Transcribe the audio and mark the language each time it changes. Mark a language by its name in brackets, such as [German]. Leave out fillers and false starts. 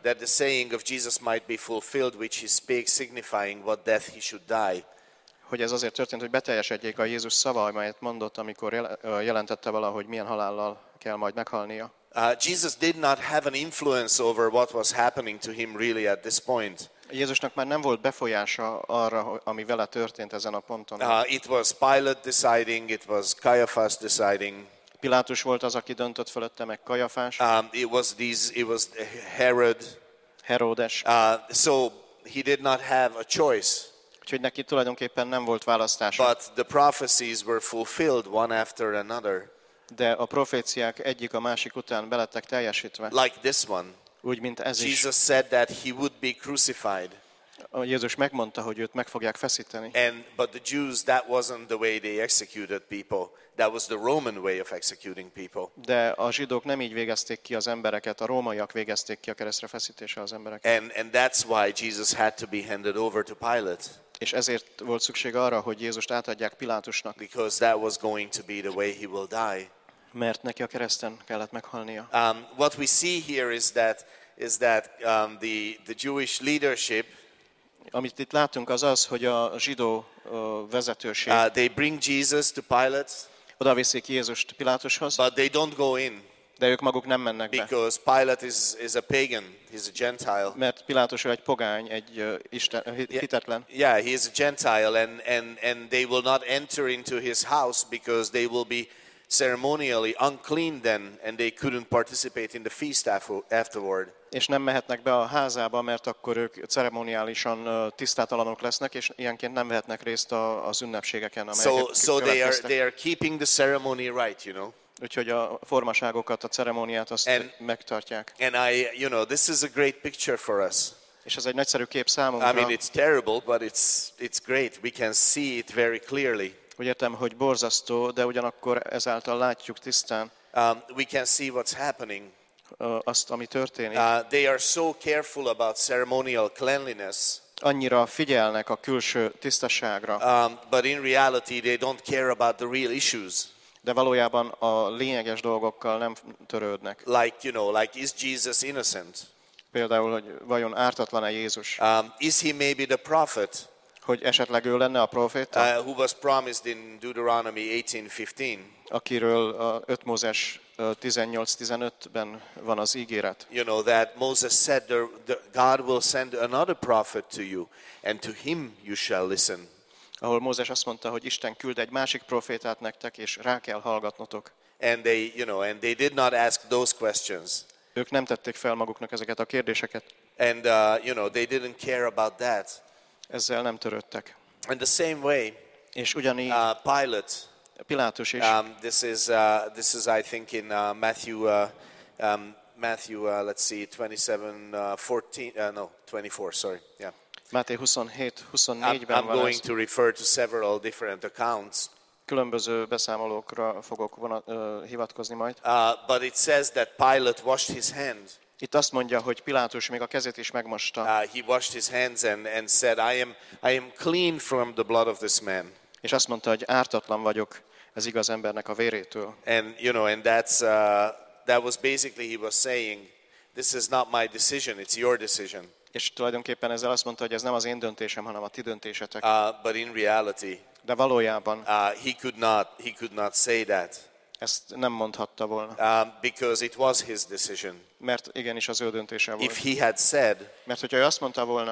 [English] That the saying of Jesus might be fulfilled, which he speaks, signifying what death he should die. [Hungarian] Hogy ez azért történt, hogy beteljesedjék a Jézus szava, amelyet mondott, amikor jelentette vele, hogy milyen halállal kell majd meghalnia. [English] Jesus did not have an influence over what was happening to him really at this point. [Hungarian] Jézusnak már nem volt befolyása arra, ami vele történt ezen a ponton. [English] It was Pilate deciding, it was Caiaphas deciding. [Hungarian] Pilátus volt az, aki döntött fölötte, meg Caiaphas. [English] It was Herod. [Hungarian] Herodes. [English] So he did not have a choice. [Hungarian] Úgyhogy neki tulajdonképpen nem volt választása. [English] But the prophecies were fulfilled one after another. [Hungarian] De a proféciák egyik a másik után belettek teljesítve. [English] Like this one. [Hungarian] Úgy, mint ez [English] Jesus is. Said that he would be crucified. [Hungarian] Jézus megmondta, hogy őt meg fogják feszíteni. [English] But the Jews, that wasn't the way they executed people. That was the Roman way of executing people. [Hungarian] De a zsidók nem így végezték ki az embereket, a rómaiak végezték ki a keresztre feszítése az embereket. [English] And that's why Jesus had to be handed over to Pilate. [Hungarian] És ezért volt szükség arra, hogy Jézust átadják Pilátusnak. [English] Because that was going to be the way he will die. [Hungarian] Mert neki a kereszten kellett meghalnia. [English] What we see here is that the Jewish leadership, [Hungarian] amit itt látunk, az az, hogy a zsidó vezetőség, [English] they bring Jesus to Pilate, [Hungarian] odaviszik Jézust Pilátushoz, [English] but they don't go in, [Hungarian] de ők maguk nem mennek be, [English] because Pilate is a pagan, he's a gentile, [Hungarian] mert Pilátus egy pogány, egy isten, hitetlen. [English] Yeah, he is a gentile and they will not enter into his house because they will be ceremonially unclean then and they couldn't participate in the feast afterward. [Hungarian] És nem mehetnek be a házába, mert akkor ők ceremoniálisan tisztátalanok lesznek, és ilyenként nem vehetnek részt az ünnepségeken, amelyek következtek. [English] So they are keeping the ceremony right, you know. [Hungarian] Úgyhogy a formaságokat, a ceremóniát azt megtartják. [English] And I, you know, this is a great picture for us. [Hungarian] És ez egy nagyszerű kép számunkra. [English] I mean, it's terrible, but it's great. We can see it very clearly. [Hungarian] Úgy értem, hogy borzasztó, de ugyanakkor ezáltal látjuk tisztán. [English] We can see what's happening. [Hungarian] Azt, ami történik. [English] They are so careful about ceremonial cleanliness. [Hungarian] Annyira figyelnek a külső tisztaságra. [English] But in reality they don't care about the real issues. [Hungarian] De valójában a lényeges dolgokkal nem törődnek. [English] Like, you know, like is Jesus innocent? [Hungarian] Például, hogy vajon ártatlan-e Jézus? [English] Is he maybe the prophet? [Hungarian] Hogy esetleg ő lenne a proféta? [English] Who was promised in Deuteronomy 18:15? [Hungarian] Akiről a 5 Mózes 18:15-ben van az ígéret. [English] You know that Moses said the God will send another prophet to you and to him you shall listen. [Hungarian] Ahol Mózes azt mondta, hogy Isten küld egy másik profétát nektek és rá kell hallgatnotok. [English] And they, you know, and they did not ask those questions. [Hungarian] Ők nem tették fel maguknak ezeket a kérdéseket. [English] And you know, they didn't care about that. [Hungarian] Ezzel nem törődtek. [English] In the same way, [Hungarian] és ugyanígy [English] Pilate, [Hungarian] Pilátus is. [English] This is I think in Matthew, let's see 24, sorry. Yeah. [Hungarian] Máté 27-24-ben van. [English] I'm going to refer to several different accounts. [Hungarian] Különböző beszámolókra fogok hivatkozni majd. [English] But it says that Pilate washed his hand. [Hungarian] Itt azt mondja, hogy Pilátus még a kezét is megmosta. [English] He washed his hands and said I am clean from the blood of this man. [Hungarian] És azt mondta, hogy ártatlan vagyok ez igaz embernek a vérétől. [English] And you know, and that's that was basically he was saying this is not my decision, it's your decision. [Hungarian] És tulajdonképpen ezzel azt mondta, hogy ez nem az én döntésem, hanem a ti döntésetek. [English] But in reality, [Hungarian] de valójában [English] he could not say that. [Hungarian] Ezt nem mondhatta volna. [English] Because it was his decision. [Hungarian] Mert igenis az ő döntése volt. [English] If he had said, [Hungarian] mert hogyha ő azt mondta volna,